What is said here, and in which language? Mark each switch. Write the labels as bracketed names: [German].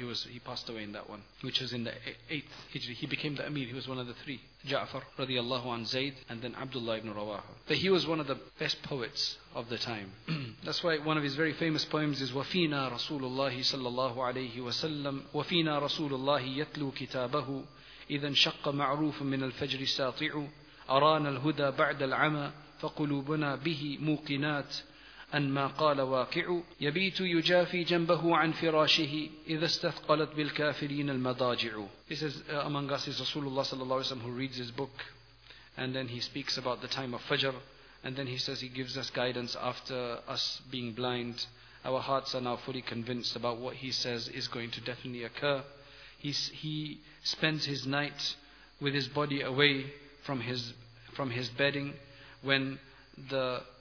[English] He passed away in that one, which was in the 8th Hijri. He became the Amir, he was one of the three, Ja'far radiallahu an Zayd, and then Abdullah ibn Rawah. But he was one of the best poets of the time. That's why one of his very famous poems is Wafina Rasulullah sallallahu alayhi wa sallam, [Arabic] Wafina Rasulullah yatlu kitabahu. إذا انشق معروف من الفجر ساطع أرانا الهدى بعد العمى فقلوبنا به موقنات أن ما قال واقع يبيت يجافي جنبه عن فراشه إذا استثقلت بالكافرين المضاجع. [English] This is among us is Rasulullah sallallahu alaihi wasallam, who reads his book, and then he speaks about the time of Fajr, and then he says he gives us guidance after us being blind. Our hearts are now fully convinced about what he says is going to definitely occur. He spends his night with his body away from his bedding, when the